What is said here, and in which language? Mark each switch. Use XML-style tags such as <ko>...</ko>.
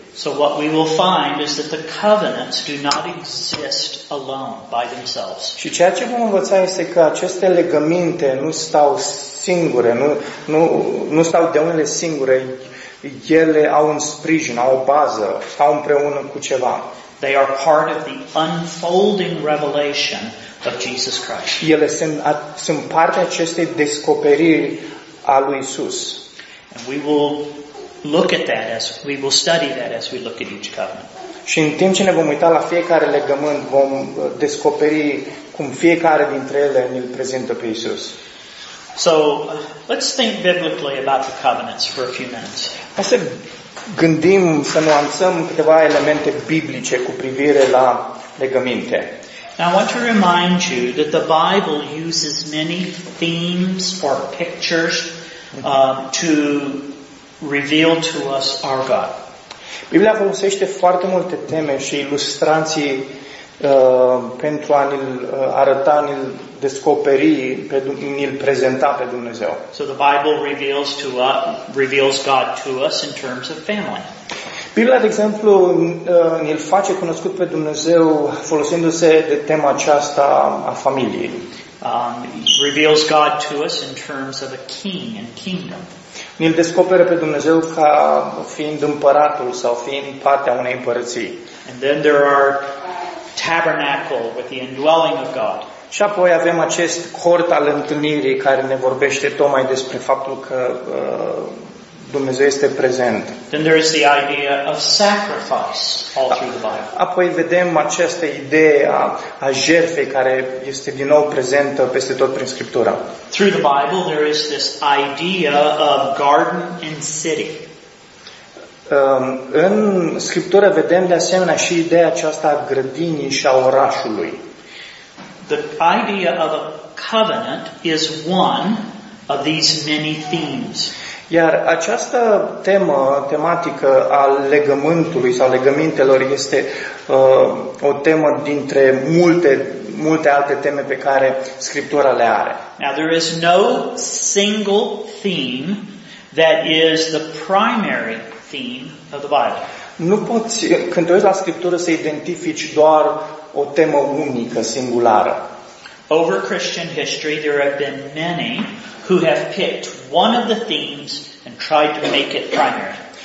<en>So what we will find is that the covenants do not exist alone by themselves.</en> <ro>Și ceea ce vom învăța este că aceste legăminte nu stau singure, nu stau de unele singure, ele au un sprijin, au o bază, stau împreună cu ceva.</ro> <en>They are part of the unfolding revelation of Jesus Christ.</en> <ro>Ele sunt parte acestei descoperiri a lui Isus.</ro> <en>And we will look at that as we will study that as we look at each covenant.</en> <ro>Și în timp ce ne vom uita la fiecare legământ, vom descoperi cum fiecare dintre ele ne-l prezintă pe Iisus.</ro> <en>So let's think biblically about the covenants for a few minutes.</en> <ro>Hai să gândim, să nuanțăm câteva elemente biblice cu privire la legăminte.</ro> <en>Now I want to remind you that the Bible uses many themes or pictures to reveal to us our God.</en> <ro>Biblia folosește foarte multe teme și ilustrații pentru a ne arăta, ne descoperi, ne prezenta pe Dumnezeu.</ro> <en>So the Bible reveals to us, reveals God to us in terms of family.</en> <ro>Biblia, de exemplu, ne-l face cunoscut pe Dumnezeu folosindu-se de tema aceasta a familiei.</ro> <en>Reveals God to us in terms of a king and kingdom.</en> <ro>Ne-l descoperă pe Dumnezeu ca fiind împăratul sau fiind partea unei împărății.</ro> <en>And then there are tabernacle with the indwelling of God.</en> <ro>Și apoi avem acest cort al întâlnirii care ne vorbește tocmai despre faptul că Dumnezeu este prezent.</ro> <en>Then there is the idea of sacrifice all through the Bible.</en> <ro>Apoi vedem această idee a jertfei care este din nou prezentă peste tot prin Scriptura.</ro> <en>Through the Bible there is this idea of garden and city.</en> <ro>În Scriptură vedem de asemenea și ideea aceasta a grădinii și a orașului.</ro> <en>The idea of a covenant is one of these many themes.</en> <ro>Iar această temă, tematică a legământului sau legămintelor este o temă dintre multe, multe alte teme pe care Scriptura le are.</ro> <en>Now, there is no single theme that is the primary theme of the Bible.</en> <ro>Nu poți, când te uiți la Scriptură, să identifici doar o temă unică, singulară.</ro> <en>Over Christian history, there have been many who have picked one of the themes and tried to make it primary.</en>